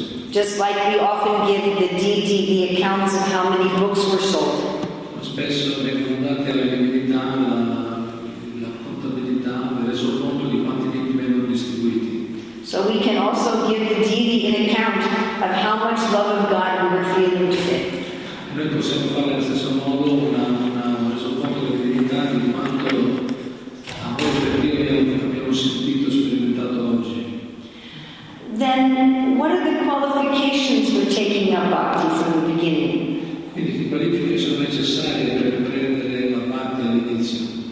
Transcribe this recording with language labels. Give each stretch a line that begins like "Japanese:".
English: Just like we often give the DD the accounts of how many books were sold.
Italian: Spesso vengono date alla divinità la contabilità, il resoconto di quanti libri vengono distribuiti.
English: So we can also give the DD an account of how much love of God we were feeling to fit.
Italian: Noi possiamo fare allo stesso modo una resoconto di divinità di quanto amore per Dio abbiamo sentito, sperimentato oggi.
English: Then what are the qualifications for taking up bhakti from the beginning?
Italian: Quindi che qualifiche sono necessarie per prendere la bhakti all'inizio?